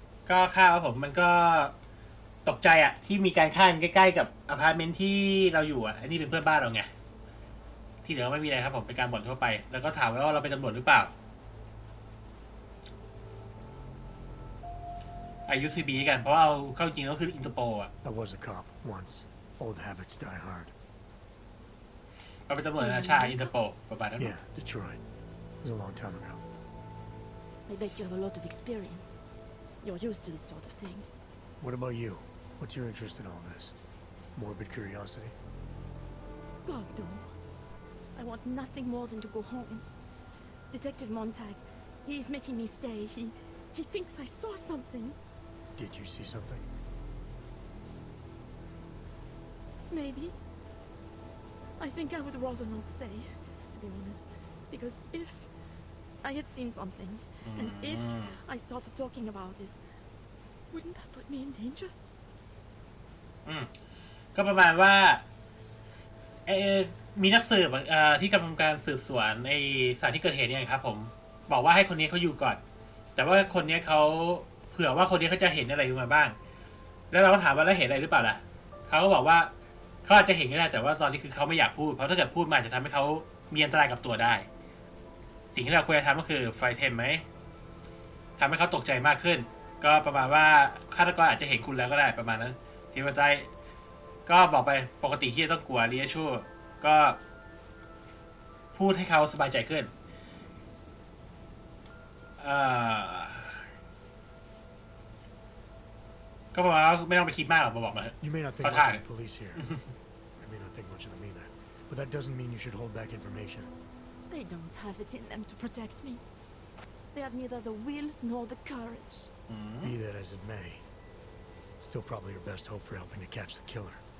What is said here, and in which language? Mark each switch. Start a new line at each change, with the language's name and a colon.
Thai: ก็ข้าวผมมันก็ตกใจอ่ะที่มีการฆ่ากันใกล้ๆกับอพาร์ตเมนต์ที่เราอยู่อ่ะอันนี้เป็นเพื่อนบ้านเราไงที่เหลือไม่มีอะไรครับผมเป็นการบ่นทั่วไปแล้วก็ถามว่าเราเป็นตำรวจหรือเปล่าอายุ CB กันเพราะเอาเข้าจริงแล้วคืออินเตอร์โปลอ่ะ
English: I was a cop once old habits die hard
Thai: เราเป็นตำรวจอาชาอินเตอร์โปลประมาณนั้น
English: Yeah Detroit It's a long time ago I bet you have a lot of experience you're used to this sort of thing What about you? What's your interest in all this? Morbid curiosity? God, no. I want nothing more than to go home. Detective Montag, he's making me stay. He thinks I saw something. Did you see something? Maybe. I think I would rather not say, to be honest. Because if I had seen something, and if I started talking about it,Wouldn't that put me in danger?
Thai: ก็ประมาณว่าเอมีนักสืบที่กำลังการสืบสวนในสถานที่เกิดเหตุเนี่ยครับผมบอกว่าให้คนนี้เขาอยู่ก่อนแต่ว่าคนนี้เขาเผื่อว่าคนนี้เขาจะเห็นอะไรมาบ้างแล้วเราก็ถามว่าแล้วเห็นอะไรหรือเปล่าล่ะเขาก็บอกว่าเขาอาจจะเห็นก็ได้แต่ว่าตอนนี้คือเขาไม่อยากพูดเพราะถ้าเกิดพูดมาจะทำให้เขามีอันตรายกับตัวได้สิ่งที่เราควรจะทำก็คือไฟเทมไหม ทำให้เขาตกใจมากขึ้นก็ประมาณว่าฆาตกรอาจจะเห็นคุณแล้วก็ได้ประมาณนั้นทีมใจก็บอกไปปกติที่จะต้องกลัวเรียชูก็พูดให้เขาสบายใจขึ้นอ ก็บอกว่าไม่ต้องไปคิดมากหรอกบอกมาเถอะ
English: You may not think much of the police here. I may not think much of them either. But that doesn't mean you should hold back information. They don't have it in them to protect me. They have neither the will nor the courage. Be that as it may, still probably your best hope for helping to catch the killer.